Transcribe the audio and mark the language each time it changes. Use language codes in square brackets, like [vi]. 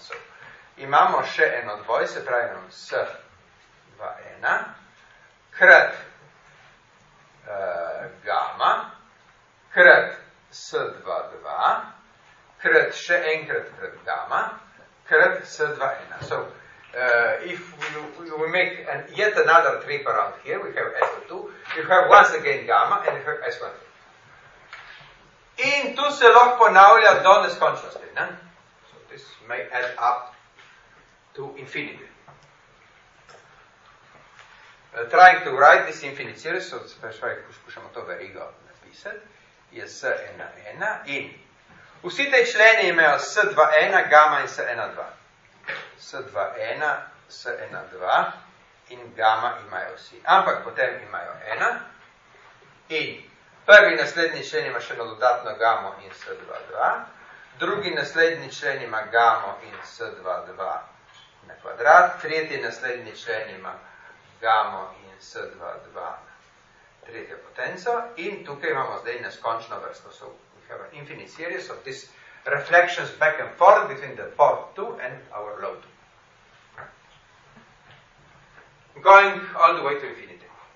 [sl] So, imamo še eno dvoj, se pravi nam S2, 1, krat gamma, krat S2, 2, krat še enkrat krat gamma, krat S2, 1. [en] So, if we make yet another trip around here, we have S2, you have once again gamma, and you have S1. [sl] In tu se lahko ponavlja do neskončnosti. Ne? [en] So this may add up to infinity. Trying to write this infinite series, so specially [sl] poskušamo to verigo napisati, je S1, 1 in. Vsi te členi imajo S2, 1, gamma in S1, 2. S2, 1, S1, 2 in gamma imajo vsi. Ampak potem imajo 1 in prvi naslednji člen ima še dodatno gamma in S2, 2. Drugi naslednji člen ima gamma in S2, 2 na kvadrat. Tretji naslednji člen ima gamma in S2, 2 na tretjo potenco. In tukaj imamo zdaj neskončno vrsto. [en] So we have an infinite series of this reflections back and forth between the port 2 and our load. Going all the way to infinity.